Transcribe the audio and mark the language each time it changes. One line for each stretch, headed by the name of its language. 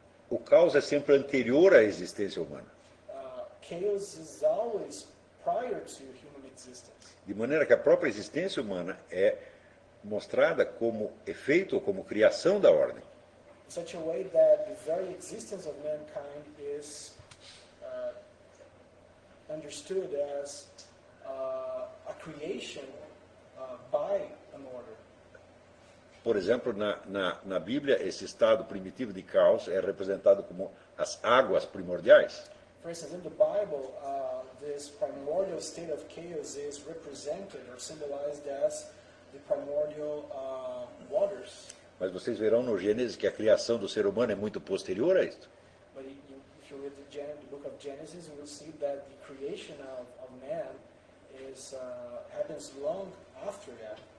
Portuguese: O caos é sempre anterior à existência humana.
English: Chaos is always prior to human existence.
Portuguese: De maneira que a própria existência humana é mostrada como efeito ou como criação da ordem.
English: In such a way that the very existence of mankind is understood as a creation by an order.
Portuguese: Por exemplo, na Bíblia, esse estado primitivo de caos é representado como as águas primordiais.
English: For instance, in the Bible, this primordial state of chaos is represented or symbolized as the primordial waters.
Portuguese: Mas vocês verão no Gênesis que a criação do ser humano é muito posterior a isto.
English: But if you read the book of Genesis, you will see that the creation of man is happens long after that.